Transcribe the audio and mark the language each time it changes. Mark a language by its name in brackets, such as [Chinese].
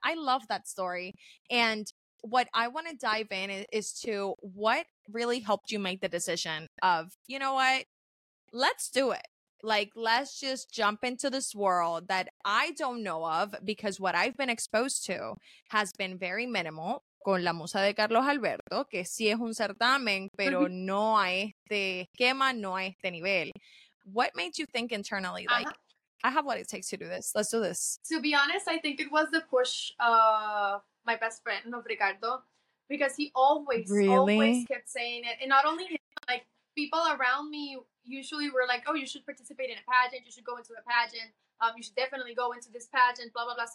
[English] I love that story. And what I want to dive in is to what really helped you make the decision of, you know what, let's do it. Like, let's just jump into this world that I don't know of, because what I've been exposed to has been very minimal. [Spanish] Con la musa de Carlos Alberto, que sí es un certamen, pero no a este esquema, no a este nivel. [English] What made you think internally, like, I have what it takes to do this. Let's do this. To be honest, I think it was the push my best friend of Ricardo, because he always, always kept saying it. And not only him, like, people around me usually were like, oh, you should participate in a pageant, you should go into a pageant, you should definitely go into this pageant, blah, blah, blah.